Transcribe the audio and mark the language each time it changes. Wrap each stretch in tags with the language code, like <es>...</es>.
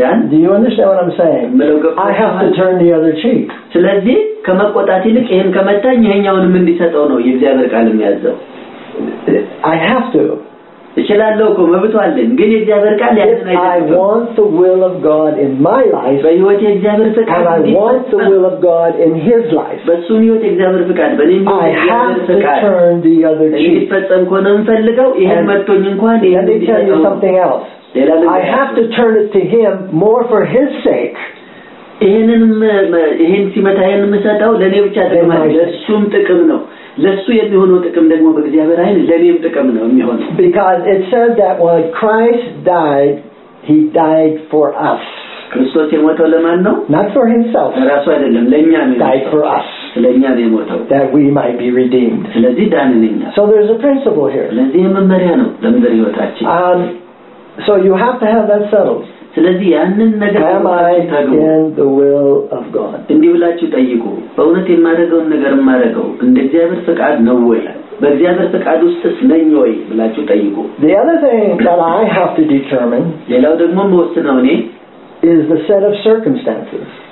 <en>Do you understand what I'm saying? I have to turn the other cheek.</en> <am>ስለዚህ ከመቆጣት ይልቅ ይሄን ከመጣኝ ይሄኛውንም እንዲሰጠው ነው የእግዚአብሔር ቃል የሚያዘው.</am> <en>I have to.</en> <am>እችላለሁ እኮ መብቱ አለኝ ግን የእግዚአብሔር ቃል ያዘናይ.</am> <en>I want the will of God in my life.</en> <am>በህይወቴ የእግዚአብሔር ፍቃድ እንዲሆን.</am> <en>I want the will of God in his life.</en> <am>በሱ ህይወቴ የእግዚአብሔር ፍቃድ በእኔም የእግዚአብሔር ፍቃድ.</am> <en>I have to turn the other cheek.</en> <am>ይፈጸም ከሆነ እንፈልገው ይሄን መጥቶኝ እንኳን ይሄን ይሄን</am> <en>something else. I have to turn it to him more for his sake.</en> <am>ይሄንንም ይሄን ሲመታ ይሄን መስጠው ለኔ ብቻ ደግማለሁ ለሱም ጥቅም ነው ለሱ የሚሆነው ጥቅም ደግሞ በእግዚአብሔር አይን ለኔም ጥቅም ነው የሚሆነው</am> <en>because it said that when Christ died he died for us</en> <am>ክርስቶስ የሞተው ለማን ነው</am> <en>not for himself</en> <am>ራሱ አይደለም ለኛ ነው</am> <en>died for us</en> <am>ለኛ ነው የሞተው</am> <en>that we might be redeemed</en> <am>ስለዚህ ዳንልኛ</am> <en>so there's a principle here</en> <am>ለዚህ መመሪያ ነው ለምድር ህይወታችን</am> <en>so you have to have that settled</en> <am>ስለዚህ ያንን ነገር ታግሉ</am> <en>and the will of god</en> <am>እንዲውላችሁ ጠይቁ በእውነት የማደርገውን ነገር ማረገው እንደ እግዚአብሔር ፍቃድ ነው ወይ በእግዚአብሔር ፍቃድ ውስጥስ ነኝ ወይ ብላችሁ ጠይቁ</am> <en>the other thing that I have to determine</en> <am>ሌላው ደግሞ ወስነው እኔ</am> <en>is the set of circumstances</en>